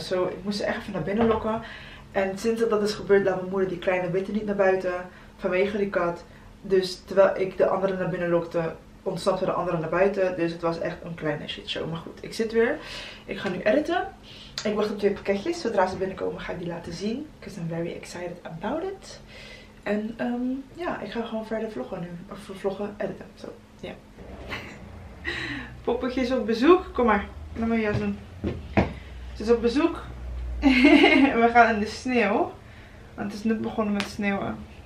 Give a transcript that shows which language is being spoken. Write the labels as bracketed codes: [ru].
[nl] Zo, ik moest ze echt even naar binnen lokken. En sinds dat is gebeurd, laat mijn moeder die kleine witte niet naar buiten. Vanwege die kat. Dus terwijl ik de andere naar binnen lokte, ontsnapte de andere naar buiten. Dus het was echt een kleine shitshow. Maar goed, ik zit weer. Ik ga nu editen. Ik wacht op twee pakketjes. Zodra ze binnenkomen ga ik die laten zien. [en] Because I'm very excited about it. [nl] En ja, ik ga gewoon verder vloggen nu. Of vloggen, editen. Zo, ja. Yeah. Poppetje is op bezoek. Kom maar, laat me jas doen. Ze is op bezoek. We gaan in de sneeuw. Want het is net begonnen met sneeuwen.